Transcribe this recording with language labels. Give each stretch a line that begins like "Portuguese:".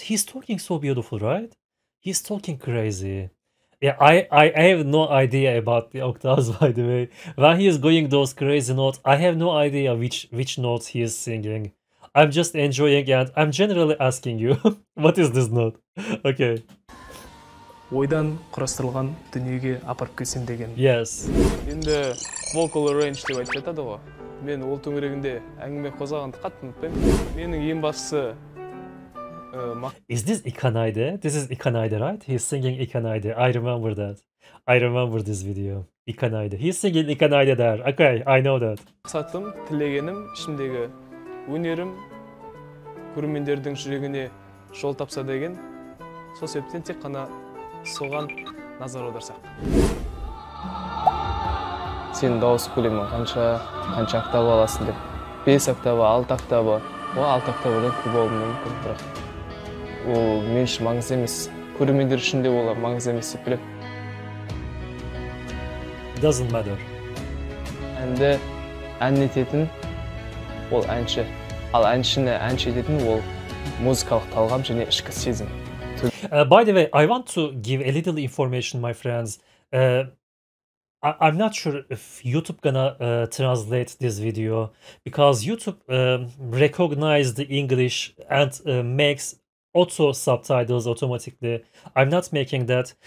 English: He's talking so beautiful, right? He's talking crazy. Yeah, I have no idea about the octaves, by the way. When he is going those crazy notes, I have no idea which notes he is singing. I'm just enjoying and I'm generally asking you, what is this note? Okay.
Kazakh: Ойдан құрастырылған дүниеге апарып келсем деген.
English: Yes.
Kazakh: Енді vocal range деп айтады ғой. Мен ол төңірегінде әңгіме қозғағанды қатты ұмытпаймын. Менің ең бастысы
English: Is this Ikanaide? This is Ikanaide, right? He's singing Ikanaide. I remember that. I remember this video. Ikanaide. He's singing Ikanaide there. Okay, I know that.
Kazakh: Мақсатым, тілегенім, ішімдегі өнерім көрермендердің жүрегіне жол тапса деген. Сол себептен тек қана соған назар аударсақ. Сен дауыс көлемі қанша, қанша октава аласың деп. 5 октава, 6 октава. Ол 6 октавадан көп болуы мүмкін, бірақ ол мен үшін маңызды емес. Көрермендер үшін де олар маңызды емес деп білем.
English: Doesn't matter.
Kazakh: Әнді ән ететін ол әнші. Ал әншіні әнші ететін ол музыкалық талғам және ішкі сезім.
English: By the way, I want to give a little information, my friends. I'm not sure if YouTube gonna translate this video because YouTube recognized the English and makes auto subtitles automatically. I'm not making that.